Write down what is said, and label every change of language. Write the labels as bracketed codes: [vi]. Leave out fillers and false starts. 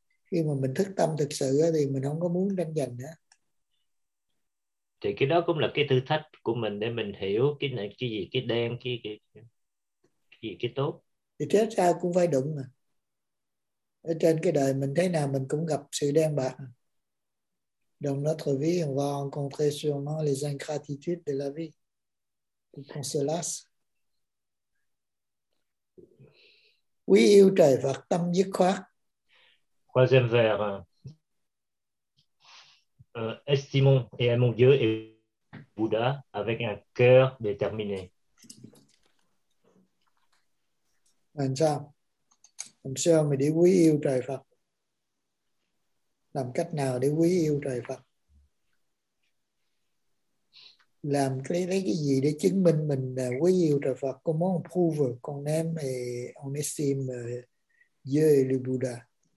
[vi] Khi mà mình thức tâm thực sự thì mình không có muốn tranh giành nữa. Thì cái đó cũng là cái thử thách của mình để mình hiểu cái này, cái gì, cái đen, cái gì, cái tốt. Thì thế sao cũng phải đụng mà. Ở trên cái đời mình thấy nào mình cũng gặp sự đen bạc. [fr] Dans notre vie, on va rencontrer sûrement les ingratitudes de la vie. Pour qu'on se lasse. [vi] Quý yêu trời Phật tâm dứt khoát. [fr] Troisième vers. Estimons et aimons Dieu et Bouddha avec un cœur déterminé. [vi] Làm sao? Làm sao mà để quý yêu trời Phật? Làm cách nào để quý yêu trời Phật? Làm lấy cái gì để chứng minh mình quý yêu trời Phật? Có muốn prove con em [fr] on estime Dieu et le Bouddha?